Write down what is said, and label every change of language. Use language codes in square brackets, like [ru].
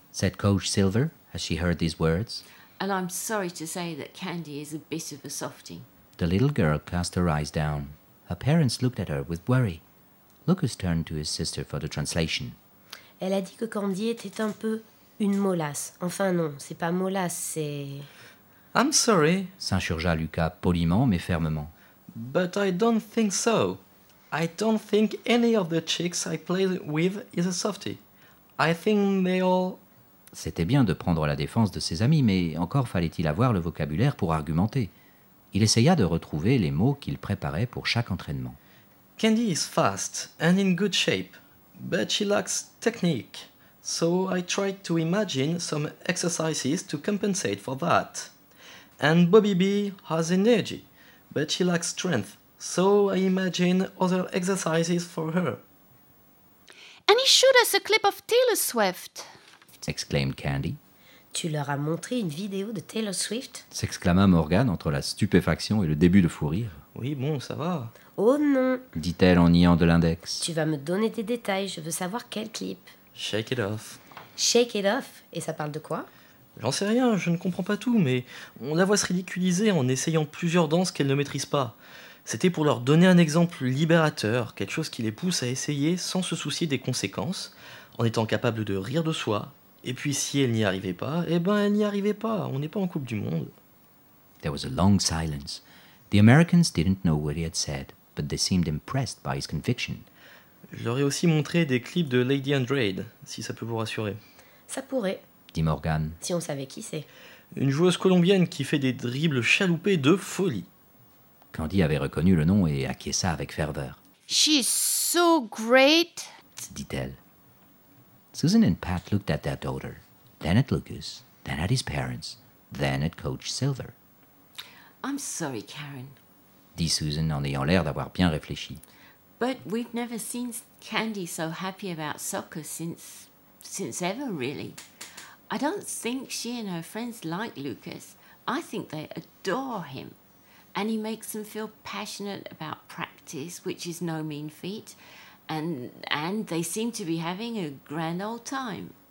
[en] said Coach Silver as she heard these words. And I'm sorry to say that Candy is a bit of a softie. The little girl cast her eyes down. Her parents looked at her with worry. Lucas turned to his sister for the translation. [fr] Elle a dit que Candy était un peu une molasse. Enfin non, c'est pas molasse, c'est... [en] I'm sorry, [fr] s'insurgea Lucas poliment mais fermement. [en] But I don't think so. I don't think any of the chicks I play with is a softie. I think they all... [fr] C'était bien de prendre la défense de ses amis, mais encore fallait-il avoir le vocabulaire pour argumenter. Il essaya de retrouver les mots qu'il préparait pour chaque entraînement. [en] Candy is fast and in good shape, but she lacks technique. So I tried to imagine some exercises to compensate for that. And Bobby B has energy, but she lacks strength. So I imagine other exercises for her. And he showed us a clip of Taylor Swift, exclaimed Candy. [fr] Tu leur as montré une vidéo de Taylor Swift? S'exclama Morgan entre la stupéfaction et le début de fou rire. Oui, bon, ça va. Oh non, dit-elle en niant de l'index. Tu vas me donner des détails, je veux savoir quel clip. [en] Shake it off. [fr] Shake it off? Et ça parle de quoi? J'en sais rien, je ne comprends pas tout, mais on la voit se ridiculiser en essayant plusieurs danses qu'elle ne maîtrise pas. C'était pour leur donner un exemple libérateur, quelque chose qui les pousse à essayer sans se soucier des conséquences, en étant capable de rire de soi. Et puis si elle n'y arrivait pas, eh ben elle n'y arrivait pas, on n'est pas en Coupe du Monde. [en] There was a long silence. The Americans didn't know what he had said, but they seemed impressed by his conviction. [fr] Je leur ai aussi montré des clips de Lady Andrade, si ça peut vous rassurer. Ça pourrait, dit Morgan. Si on savait qui c'est. Une joueuse colombienne qui fait des dribbles chaloupés de folie. Candy avait reconnu le nom et acquiesça avec ferveur. [en] She's so great, [fr] dit-elle. [en] Susan and Pat looked at their daughter, then at Lucas, then at his parents, then at Coach Silver. I'm sorry, Karen, [fr] dit Susan en ayant l'air d'avoir bien réfléchi. [en] But we've never seen Candy so happy about soccer since ever, really. I don't think she and her friends like Lucas. I think they adore him. And he makes them feel passionate about practice. practice, which is no mean feat, and they seem to be having a grand old time.